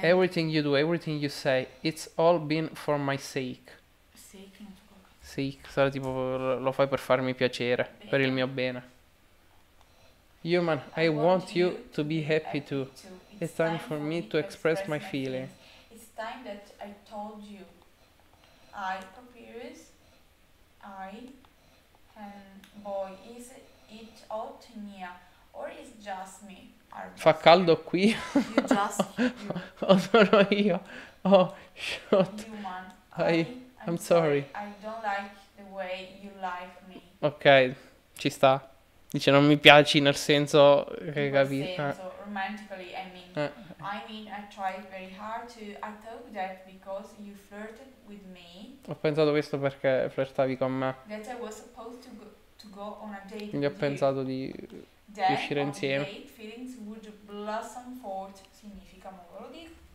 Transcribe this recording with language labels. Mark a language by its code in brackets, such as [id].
[en] Everything you do, everything you say, it's all been for my sake. Sake, [it] sarà tipo lo fai per farmi piacere, bene. Per il mio bene. [en] Human, I want you to be happy too. It's time for me to express my feelings. It's time that I told you. I, Papyrus, I, and boy, is it hot in here? Or is it just me? [it] Fa caldo qui? [en] You just... [it] Oh, sono io. [en] Oh, shoot. Human, I'm sorry. I don't like the way you like me. [it] Ok, ci sta. Dice non mi piaci nel senso che capi. In senso, [en] romantically, I mean. I mean, I tried very hard to... I thought that because you flirted with me... [it] Ho pensato questo perché flirtavi con me. [en] That I was supposed to go on a date with you. [it] Gli ho pensato di [en] that [it] uscire insieme. [en] That date feelings would blossom forth. [it] Significa molto di...